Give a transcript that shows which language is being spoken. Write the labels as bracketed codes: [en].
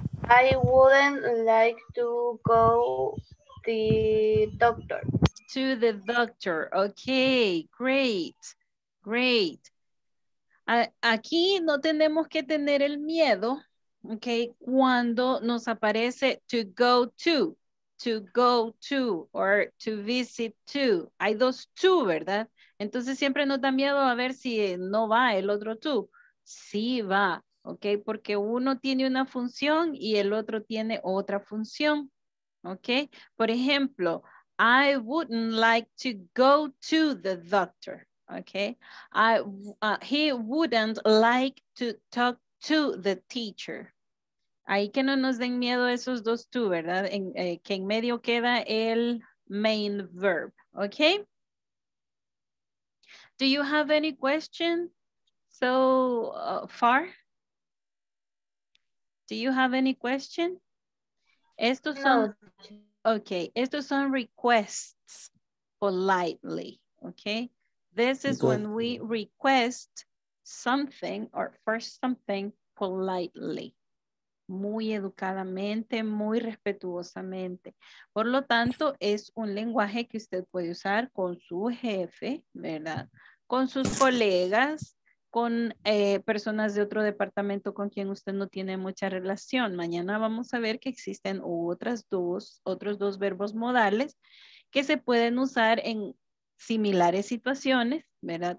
[en] I wouldn't like to go to the doctor. To the doctor. Okay, great. [es] Great. Aquí no tenemos que tener el miedo Ok, cuando nos aparece [en] to go to, or to visit to, [es] hay dos to, ¿verdad? Entonces siempre nos da miedo a ver si no va el otro to. Sí va, ok, porque uno tiene una función y el otro tiene otra función, ok. Por ejemplo, [en] I wouldn't like to go to the doctor, ok. He wouldn't like to talk to the teacher. [es] Ahí que no nos den miedo esos dos tú, ¿verdad? Que en medio queda el main verb, ¿ok? [en] Do you have any question so far? Do you have any question? [es] Estos son, ok, estos son [en] requests politely, ¿ok? This is when we request something or for something politely. [es] Muy educadamente, muy respetuosamente. Por lo tanto, es un lenguaje que usted puede usar con su jefe, ¿verdad? Con sus colegas, con personas de otro departamento con quien usted no tiene mucha relación. Mañana vamos a ver que existen otros dos verbos modales que se pueden usar en similares situaciones, ¿verdad?